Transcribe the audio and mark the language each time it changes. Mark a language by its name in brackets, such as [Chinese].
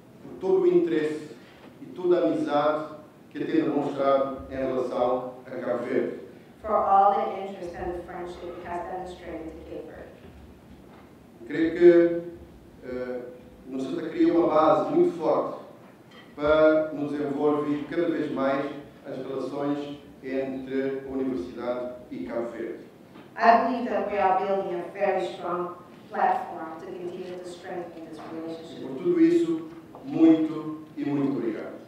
[Portuguese] por todo o interesse e toda a amizade que tem demonstrado em relação a Cape Verde. [English] For all the interest and the friendship it has demonstrated to Cape Verde. [Portuguese] Creio que nos está criando uma base muito forte para nos desenvolver cada vez mais as relações entre a Universidade e Cabo Verde. [English] I believe that we are building a very strong platform to continue to strengthen this relationship. [Portuguese] E por tudo isso, muito e muito obrigado.